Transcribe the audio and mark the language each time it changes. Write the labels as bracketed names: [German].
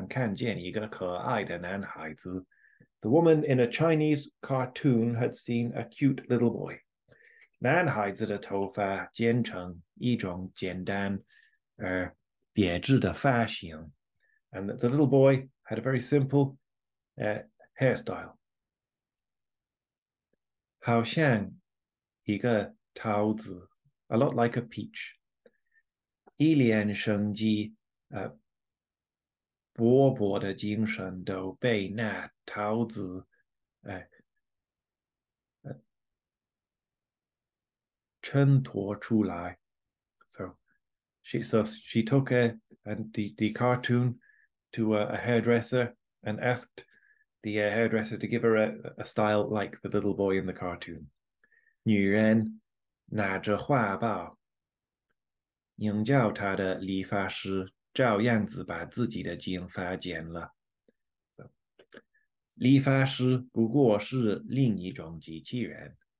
[Chinese] 女人在一本中国的画报上看见一个可爱的男孩子. [English] The woman in a Chinese cartoon had seen a cute little boy. [Chinese] 男孩子的头发剪成一种简单而别致的发型. [English] And the little boy had a very simple hairstyle. [Chinese] 好像一个桃子, [English] a lot like a peach. [Chinese] 一脸生机, 勃勃的精神都被那桃子, [English] So She took the cartoon to a hairdresser and asked the hairdresser to give her a style like the little boy in the cartoon. [Chinese] 女人拿着画报，应叫她的理发师照样子把自己的金发剪了。理发师不过是另一种机器人。